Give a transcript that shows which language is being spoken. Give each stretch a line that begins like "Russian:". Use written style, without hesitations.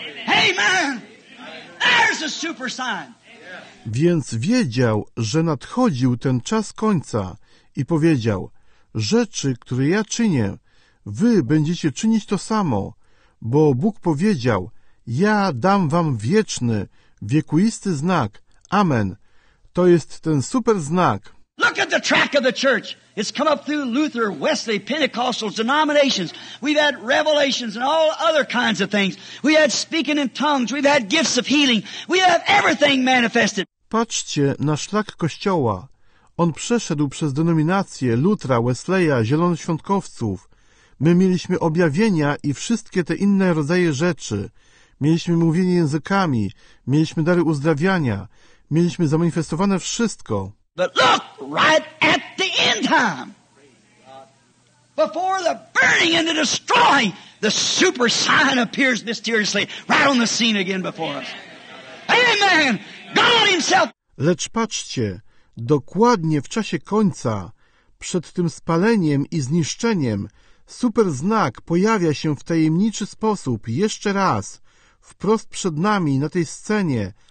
English: Amen. There's a super sign.
Polish: Więc wiedział, że nadchodził ten czas końca i powiedział, rzeczy, które ja czynię, wy będziecie czynić to samo, bo Bóg powiedział, ja dam wam wieczny, wiekuisty znak. Amen. To jest ten super znak.
English: Look at the track of the church. It's come up through Luther, Wesley, Pentecostal denominations. We've had revelations and all other kinds of things. We had speaking in tongues. We've had gifts of healing. We have everything manifested.
Polish: Patrzcie na szlak Kościoła. On przeszedł przez denominacje Lutra, Wesleya, zielonoświątkowców. My mieliśmy objawienia i wszystkie te inne rodzaje rzeczy. Mieliśmy mówienie językami. Mieliśmy dary uzdrawiania. Mieliśmy zamanifestowane wszystko.
English: But look right at the end time. Before the burning and the destroying, the super sign appears mysteriously right on the scene again before us. Amen. God himself.
Polish: Lecz patrzcie, dokładnie w czasie końca, przed tym spaleniem i zniszczeniem, super znak pojawia się w tajemniczy sposób jeszcze raz, wprost przed nami na tej scenie.